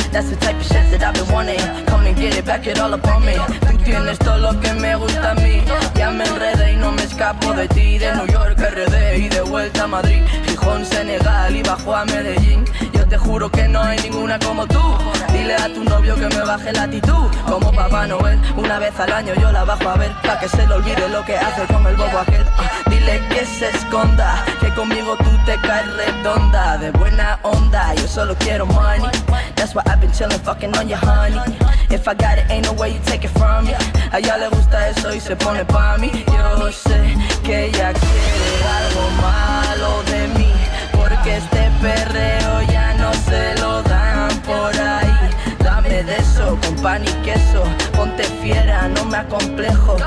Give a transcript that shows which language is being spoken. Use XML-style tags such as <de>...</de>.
<en>That's the type of shit that I've been wanting. Come and get it, back it all up on me.</en> <es>Tú tienes todo lo que me gusta a mí. Ya me enredé y no me escapo de ti. De New York RD y de vuelta a Madrid. Gijón, Senegal y bajo a Medellín. Yo te juro que no hay ninguna como tú. Dile a tu novio que me baje la actitud. Como Papá Noel, una vez al año yo la bajo a ver. Pa' que se le olvide lo que hace con el bobo aquel. Dile que se esconda, que conmigo tú te caes redonda. De buena onda, yo solo quiero money.</es> <en>That's why I've been chillin' fucking on your honey. If I got it, ain't no way you take it from me.</en> <es>A ella le gusta eso y se pone pa' mí. Yo sé que ella quiere algo malo de mí. Porque este perreo ya no se lo dan por ahí. Dame de eso, con pan y queso. Ponte fiera, no me acomplejo.</es>